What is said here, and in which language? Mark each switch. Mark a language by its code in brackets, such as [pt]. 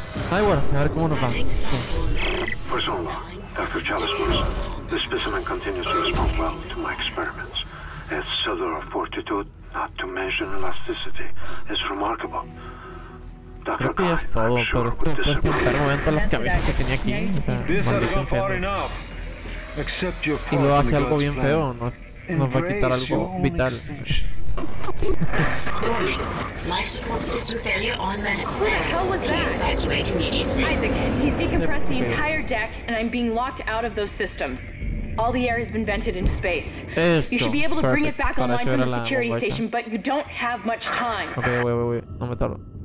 [es] Ay, bueno, a ver cómo nos va. Sí. [en] For so long, Dr. Chalice, the specimen continues to respond well to my experiments. Its cellular fortitude, not to mention elasticity, is remarkable. [es] Creo que ya es todo, pero esto es que en cada momento las cabezas que tenía aquí, o sea, maldito enfermo. y luego hace algo bien feo, nos va a quitar algo vital. [en] All the air has been vented into space. [es] Esto, [en] you should be able to perfect. Bring it back online from the security station, but you don't have much time. Okay, wait. [es] No me tardo.